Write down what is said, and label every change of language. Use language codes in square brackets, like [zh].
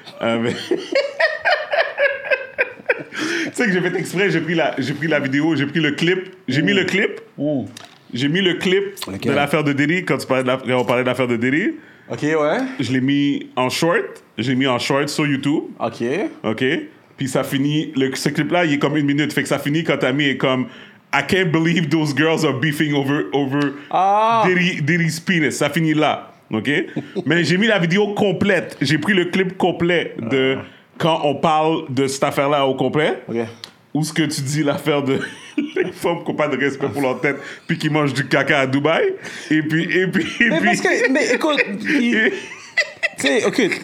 [fr] Tu sais que j'ai fait exprès, j'ai pris la vidéo, j'ai pris le clip. J'ai Ooh. Mis le clip. Ooh. J'ai mis le clip okay. de l'affaire de Diddy quand, quand on parlait de l'affaire de Diddy. Ok, ouais. Je l'ai mis en short. J'ai mis en short sur YouTube. Ok. Ok. Puis ça finit. Ce clip-là, il est comme une minute. Fait que ça finit quand Tammy est comme. [en] I can't believe those girls are beefing over ah. Diddy's penis. [fr] Ça finit là. Ok. Mais j'ai mis la vidéo complète. J'ai pris le clip complet de quand on parle de cette affaire-là au complet. Ok. Où ce que tu dis l'affaire de. Les femmes qui n'ont pas de respect pour leur tête, puis qui mangent du caca à Dubaï. Et puis. Mais parce que. Mais écoute. Tu sais, OK.